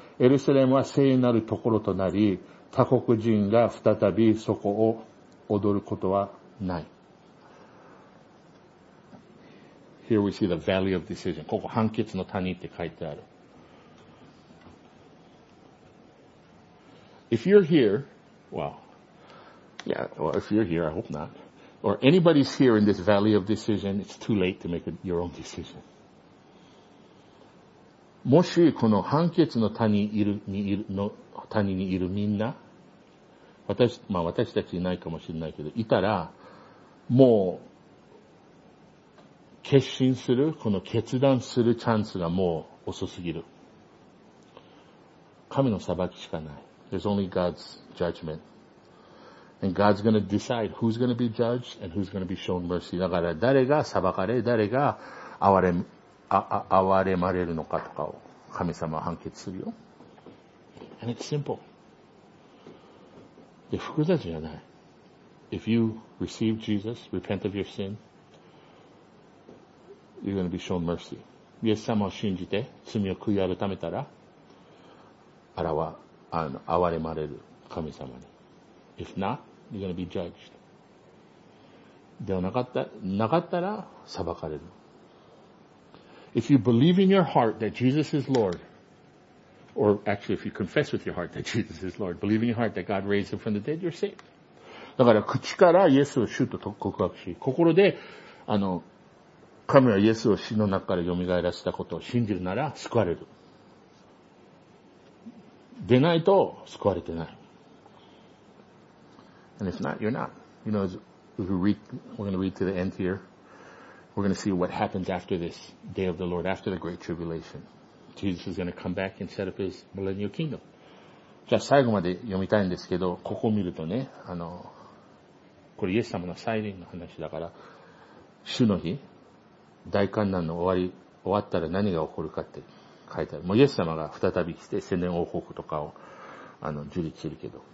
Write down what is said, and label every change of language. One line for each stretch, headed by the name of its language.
Japanese: エルサレムは聖なるところとなり、他国人が再びそこを踊ることはない。
English: Here we see the valley of decision.
Japanese: ここ判決の谷って書いてある。
English: If you're here, if you're here, I hope not. Or anybody's here in this valley of decision, it's too late to make your own decision.
Japanese: もしこの判決の谷にいるみんな、私たちいないかもしれないけど、いたら、もう、決心する、この決断するチャンスがもう遅すぎる。神の裁きしかない。
English: There's only God's judgment. And God's gonna decide who's gonna be judged and who's gonna be shown mercy.
Japanese: だから誰が裁かれ、誰が憐れまれるのかとかを神様は判決するよ。
English: And it's simple.
Japanese: で、複雑じゃない。
English: If you receive Jesus, repent of your sin, you're gonna be shown mercy.
Japanese: イエス様を信じて罪を悔い改めたら、憐れまれる神様に。
English: If not, you're going to be judged.
Japanese: ではなかったら裁かれる。
English: If you believe in your heart that Jesus is Lord, or actually if you confess with your heart that Jesus is Lord, believe in your heart that God raised him from the dead, you're saved.
Japanese: だから口からイエスを主と告白し、心で神はイエスを死の中から蘇らせたことを信じるなら救われる。でないと救われてない。
English: And if not, you're not. You know, we're going to read to the end here. We're going to see what happens after this day of the Lord, after the great tribulation. Jesus is going to come back and set up his millennial kingdom.
Japanese: じゃあ最後まで読みたいんですけど、ここを見るとね、これイエス様の再臨の話だから、主の日、大患難の終わり、終わったら何が起こるかって書いてある。もうイエス様が再び来て、千年王国とかを、樹立するけど。